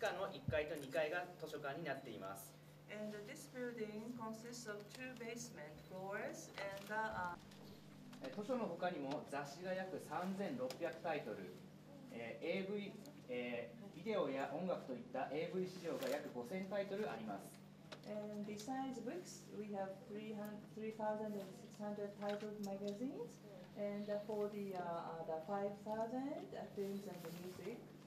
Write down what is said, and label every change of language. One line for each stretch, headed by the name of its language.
English: And this building consists of two basement floors and the.
Japanese: 図書の他にも雑誌が約3600タイトル、AV、ビデオや音楽といった AV 市場が約5000タイトルあります。
English: And besides books, we have 3,600 titled magazines and for the, the 5,000 films and the music.